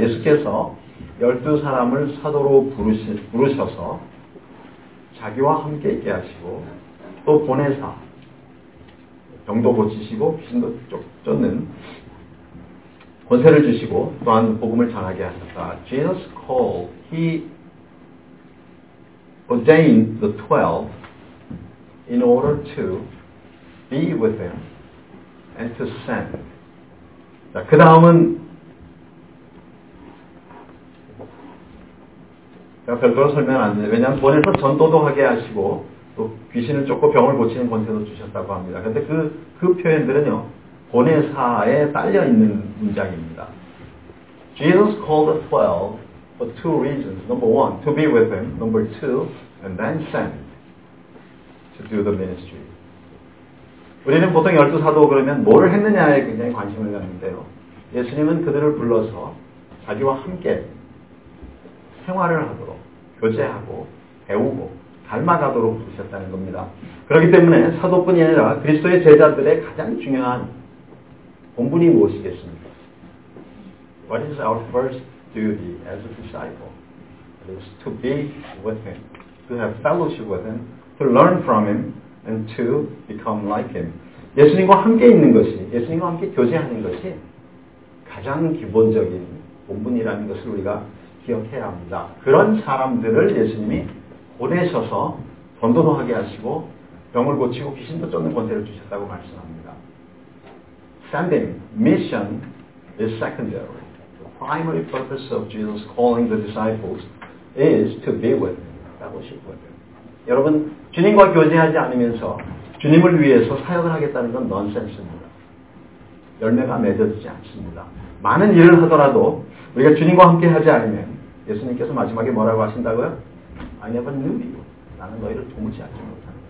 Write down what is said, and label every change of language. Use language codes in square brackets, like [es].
[ko] 예수께서 열두 사람을 사도로 부르셔서 자기와 함께 있게 하시고 또 보내사 병도 고치시고 귀신도 쫓는 권세를 주시고 또한 복음을 전하게 하셨다. [en] Jesus called, he ordained the 12 in order to be with them and to send. [ko] 자, 그 다음은 제가 별도로 설명을 안 드려요. 왜냐하면 보내서 전도도 하게 하시고 또 귀신을 쫓고 병을 고치는 권세도 주셨다고 합니다. 그런데 그 표현들은요. 보내사에 딸려있는 문장입니다. [en] Jesus called the 12 for two reasons. Number one, to be with him. Number two, and then send to do the ministry. [ko] 우리는 보통 12사도 그러면 뭐를 했느냐에 굉장히 관심을 갖는데요. 예수님은 그들을 불러서 자기와 함께 생활을 하도록 교제하고 배우고 닮아가도록 부르셨다는 겁니다. 그렇기 때문에 사도뿐이 아니라 그리스도의 제자들의 가장 중요한 본분이 무엇이겠습니까? [en] What is our first duty as a disciple? It is to be with him, to have fellowship with him, to learn from him, and to become like him. [ko] 예수님과 함께 있는 것이, 예수님과 함께 교제하는 것이 가장 기본적인 본분이라는 것을 우리가 기억해야 합니다. 그런 사람들을 예수님이 보내셔서 전도도 하게 하시고 병을 고치고 귀신도 쫓는 권세를 주셨다고 말씀합니다. [en] Sending, mission is secondary. The primary purpose of Jesus calling the disciples is to be with him, fellowship with him. [ko] 여러분, 주님과 교제하지 않으면서 주님을 위해서 사역을 하겠다는 건 넌센스입니다. 열매가 맺어지지 않습니다. 많은 일을 하더라도 우리가 주님과 함께 하지 않으면 예수님께서 마지막에 뭐라고 하신다고요? [en] I never knew you. [ko] 나는 너희를 도무지 알지 못한다.